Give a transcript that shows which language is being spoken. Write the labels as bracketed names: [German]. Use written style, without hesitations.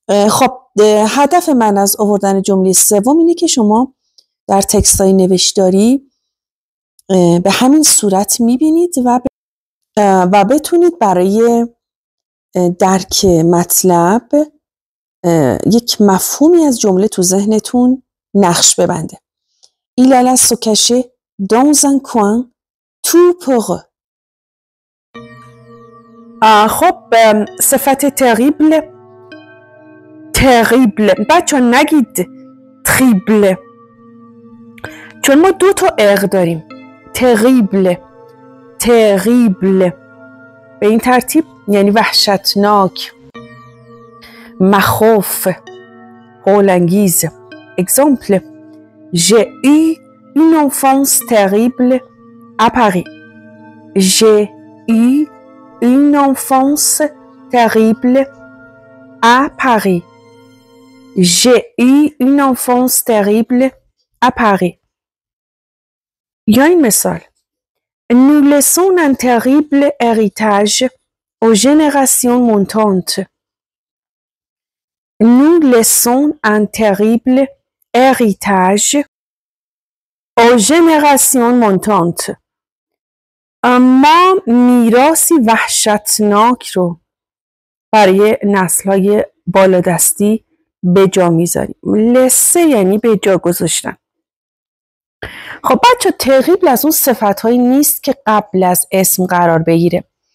[Persian] خب هدف من از آوردن جمله سوم اینه که شما در تکست‌های نوشتاری به همین صورت می‌بینید و بتونید برای درک مطلب یک مفهومی از جمله تو ذهنتون نقش ببنده. [French] Il alla se cacher dans un coin tout peureux. [Persian] خب صفت terrible. [French] Terrible. [Persian] بچه نگید تریبل، چون ما دو تا اغ داریم. [French] Terrible. Terrible. [Persian] به این ترتیب یعنی وحشتناک، مخوف، هولنگیز. [French] اگزامپل: J'ai eu une enfance terrible à Paris. J'ai eu une enfance terrible à Paris. J'ai eu une enfance terrible à Paris. Il y a une mesole. Nous laissons un terrible héritage aux générations montantes. Nous laissons un terrible héritage aux générations montantes. [Persian] ما میراثی وحشتناک رو برای نسل‌های بالادستی به جا می‌ذاریم. لسه یعنی به جا گذاشتن. خب بچه، تقیبل از اون صفتهایی نیست که قبل از اسم قرار بگیره.